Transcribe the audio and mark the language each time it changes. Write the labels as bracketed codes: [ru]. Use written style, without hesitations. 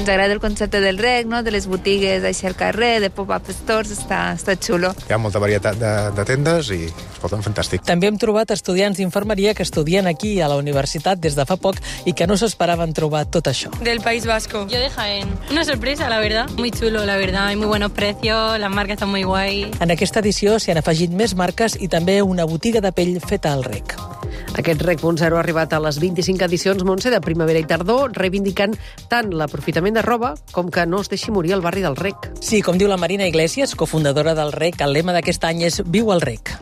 [ca] Ens agrada el concepte del Rec, no? De les botigues així al carrer, de pop-up stores, està xulo. Hi ha molta varietat de tendes i es porten fantàstic. També hem trobat estudiants d'infermeria que estudien aquí a la universitat des de fa poc i que no s'esperaven trobar tot això. [es] Del País Vasco. Yo de Jaén. Una sorpresa, la verdad. Muy chulo, la verdad. Hay muy buenos precios, las marcas están muy guay. [ca] En aquesta edició s'hi han afegit més marques i també una botiga de pell feta al Rec. Aquest Rec.0 ha arribat a les 25 edicions, Montse, de primavera i tardor, reivindicant tant l'aprofitament de roba com que no es deixi morir el barri del Rec. Sí, com diu la Marina Iglesias, cofundadora del Rec, el lema d'aquest any és Viu al Rec.